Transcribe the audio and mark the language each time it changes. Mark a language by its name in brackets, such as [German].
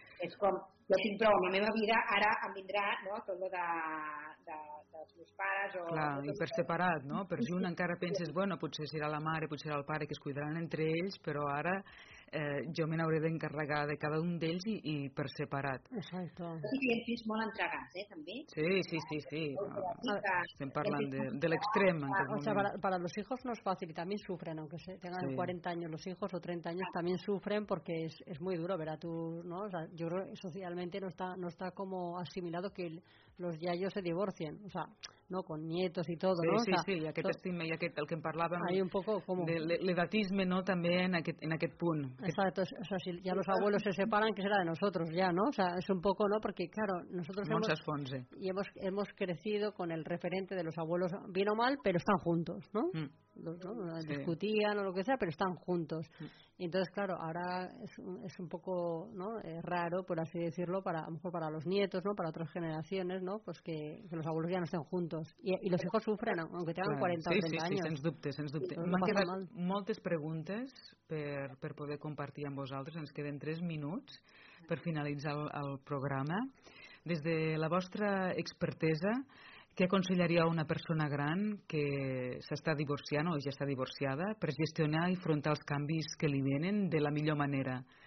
[Catalan] És com, jo tinc prou amb la meva vida, ara em vindrà, no?, tot allò dels meus pares o... Clar, i per separat, no? Per junt encara penses, bueno, potser serà la mare, potser serà el pare, que es cuidaran entre ells, però ara jo me n'hauré d'encarregar de cada un d'ells i per separat. Exacte. Sí, hi ha fills molt entregats, també. Sí. Estem parlant de l'extrem. [Spanish] Para los hijos no es fácil, también sufren, aunque tengan 40 años los hijos o 30 años, también sufren porque es muy duro ver a tu, ¿no? O sea, yo creo que socialmente no está como asimilado que los yayos se divorcien, o sea, no, con nietos y todo, sí, ¿no? [Catalan] Sí, aquest estigma i aquest, el que en parlàvem, [Spanish] hay un poco como... [Catalan] l'edatisme, ¿no?, també en aquest punt. [Spanish] Exacto, o sea, si ya los abuelos se separan, ¿qué será de nosotros ya, no? O sea, es un poco, ¿no?, porque claro, nosotros hemos crecido con el referente de los abuelos, bien o mal, pero están juntos, ¿no? ¿no? Sí. Discutían o lo que sea, pero están juntos. Y entonces, claro, ahora es un poco, ¿no?, es raro, por así decirlo, para, a lo mejor para los nietos, ¿no?, para otras generaciones, ¿no?, pues que los abuelos ya no estén juntos. Y los hijos sufren, aunque tengan, claro, 40 o 30 años. [Catalan] Sí, sens dubte, sens dubte. M'han quedat moltes preguntes per poder compartir amb vosaltres. Ens queden 3 minuts per finalitzar el programa. Des de la vostra expertesa, què aconsellaria a una persona gran que s'està divorciant o ja està divorciada per gestionar i afrontar els canvis que li venen de la millor manera?